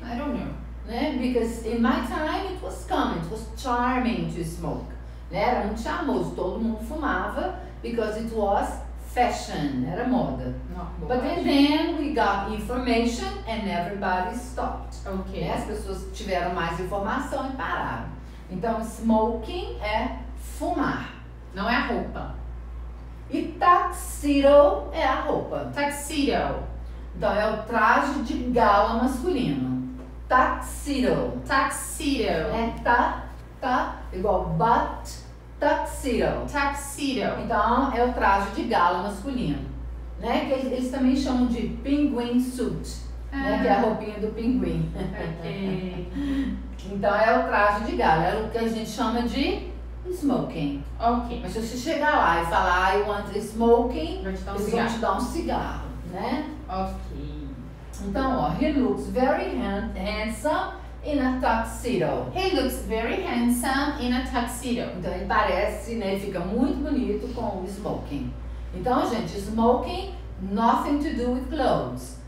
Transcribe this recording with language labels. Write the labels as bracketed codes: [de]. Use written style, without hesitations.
[en] I don't know. Né? Because in my time, it was common, it was charming to smoke. Né? [pt] Era muito charmoso, todo mundo fumava, [en] because it was fashion, [pt] era moda. Não, [en] but then we got information and everybody stopped. Okay. [pt] Né? As pessoas tiveram mais informação e pararam. Então, smoking é fumar. Não é a roupa. E tuxedo é a roupa. Tuxedo. Então, é o traje de gala masculino. Tuxedo. Tuxedo. É ta, igual but, tuxedo. Tuxedo. Então, é o traje de gala masculino. Né? Que eles também chamam de penguin suit. Né? Que é a roupinha do pinguim. Okay. Então, é o traje de gala. É o que a gente chama de... smoking. Ok. Mas se você chegar lá e falar, [en] I want smoking, [pt] eles vão te dar um cigarro, né? Ok. Então, ó, [en] he looks very handsome in a tuxedo. He looks very handsome in a tuxedo. [pt] Então, ele parece, né, fica muito bonito com o smoking. Então, gente, [en] smoking, nothing to do with clothes.